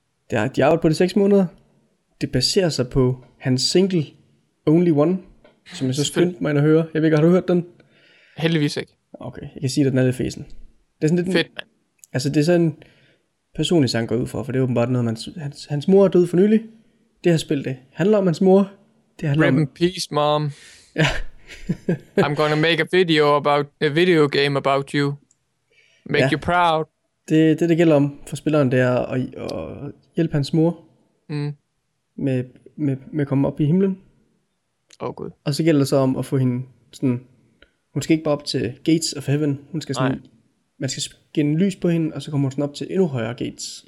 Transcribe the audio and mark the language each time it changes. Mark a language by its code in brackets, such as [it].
[da] Det er, de arbejder på de 6 måneder. Det baserer sig på hans single Only One, som jeg så skyndte mig at høre. Jeg ved ikke, har du hørt den? Heldigvis ikke. Okay, jeg kan sige, at den er lidt fæsen. Det er sådan lidt fedt, mand. Altså, det er sådan en personlig sang går ud for, for det er åbenbart noget, hans mor er død for nylig. Det her spil, det handler om hans mor. Det handler Rip om... [en] peace, mom. [da] Ja. [en] I'm gonna make a video game about you. Make you proud. [da] Det gælder om for spilleren, det er at hjælpe hans mor. Mm. Med at komme op i himlen. Åh, gud. Og så gælder det så om at få hende sådan... Hun skal ikke bare op til Gates of Heaven. Hun skal sådan... Nej. Man skal skinne lys på hende, og så kommer hun sådan op til endnu højere gates.